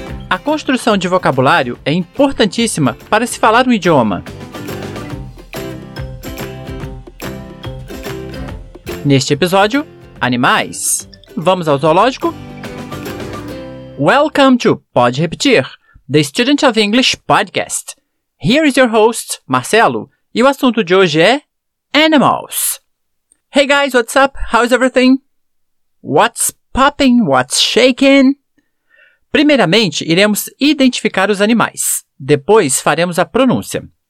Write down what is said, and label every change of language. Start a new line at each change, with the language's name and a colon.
Portuguese: A construção de vocabulário é importantíssima para se falar um idioma. Neste episódio, animais. Vamos ao zoológico?
English: Welcome to Pode Repetir, the Student of English Podcast. Here is your host,
Portuguese: Marcelo, e o assunto de hoje é animals.
English: Hey guys, what's up? How's everything? What's popping? What's shaking?
Portuguese: Primeiramente, iremos identificar os animais. Depois, faremos a pronúncia.